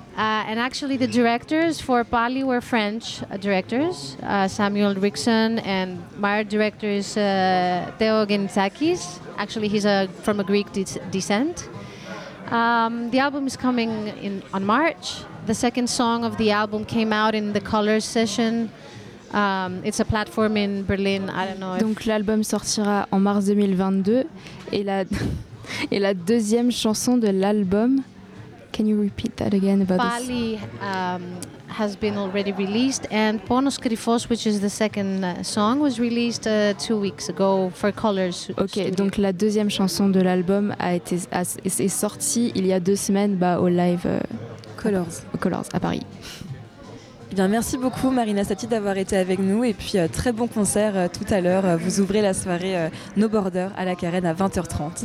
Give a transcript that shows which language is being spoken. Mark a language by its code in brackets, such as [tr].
[en] And actually the directors for Pali were French directors, Samuel Rickson, and my director is Theo Gintakis. Actually he's from a Greek descent. The album is coming on March. The second song of the album came out in the Colors session. It's a platform in Berlin, I don't know. [fr] Donc l'album sortira en mars 2022 et la deuxième chanson de l'album. [en] Can you repeat that again about Pali, this? Pali has been already released, and Ponos Kryphos, which is the second song, was released 2 weeks ago for Colors. Okay, studio. [fr] Donc la deuxième chanson de l'album est sortie il y a 2 semaines au live Colors à Paris. Bien, merci beaucoup Marina Sati d'avoir été avec nous, et puis très bon concert tout à l'heure. Vous ouvrez la soirée No Border à la Carène à 20h30.